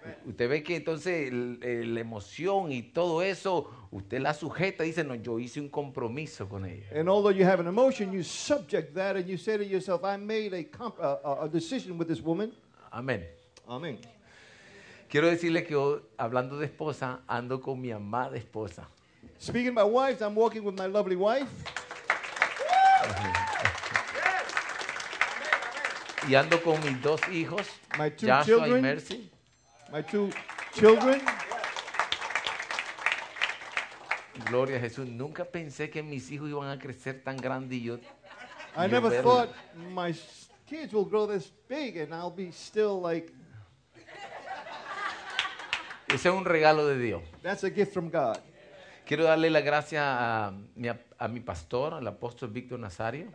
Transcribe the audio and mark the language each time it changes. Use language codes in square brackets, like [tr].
[es] Usted ve que entonces la emoción y todo eso, usted la sujeta y dice, no, yo hice un compromiso con ella. [en] And although you have an emotion, you subject that and you say to yourself, I made a decision with this woman. [es] Amén. [en] Amén. [es] Quiero decirle que hablando de esposa, ando con mi amada esposa. [en] Speaking of my wife, I'm walking with my lovely wife. [es] Y ando con mis dos hijos, [en] my two Joshua children, [es] y Mercy. [en] My two children. [es] Gloria a Jesús. Nunca pensé que mis hijos iban a crecer tan grande y yo. [en] I never thought my kids will grow this big and I'll be still like. [es] Ese es un regalo de Dios. [en] That's a gift from God. [es] Quiero darle la gracia a mi pastor, al apóstol Víctor Nazario.